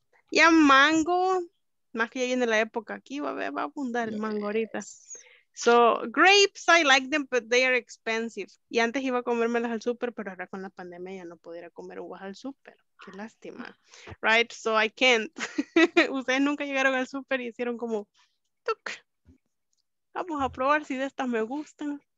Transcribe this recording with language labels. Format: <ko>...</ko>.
<es>Ya mango, más que ya viene la época aquí, va a abundar el mango ahorita.</es> <en>So, grapes, I like them, but they are expensive.</en> <es>Y antes iba a comérmelas al súper, pero ahora con la pandemia ya no pudiera comer uvas al súper. Qué lástima.</es> <en>Right? So, I can't.</en> <es>Ustedes nunca llegaron al súper y hicieron como, tuc, vamos a probar si de estas me gustan.</es>